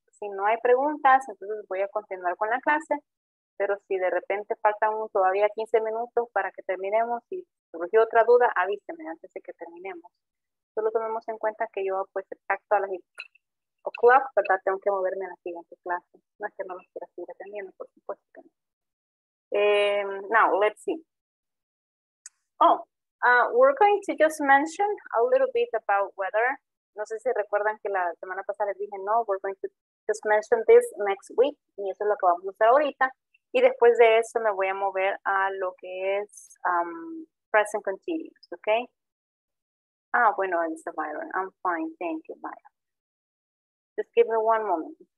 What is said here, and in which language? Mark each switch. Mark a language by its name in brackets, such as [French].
[Spanish] Si no hay preguntas, entonces voy a continuar con la clase. Pero si de repente faltan todavía 15 minutos para que terminemos y surgió otra duda, avíseme antes de que terminemos. Solo tomemos en cuenta que yo pues exacto a las 8:00, ¿verdad? Tengo que moverme a la siguiente clase. No es que no los quiera seguir atendiendo, por supuesto que no. [English] Now, let's see. We're going to just mention a little bit about weather. [Spanish] No sé si recuerdan que la semana pasada les dije no, [English] we're going to just mention this next week. [Spanish] Y eso es lo que vamos a hacer ahorita. Y después de eso me voy a mover a lo que es present continuous, ¿ok? Ah, bueno, [English] it's the Byron. I'm fine, thank you, Byron. Just give me one moment.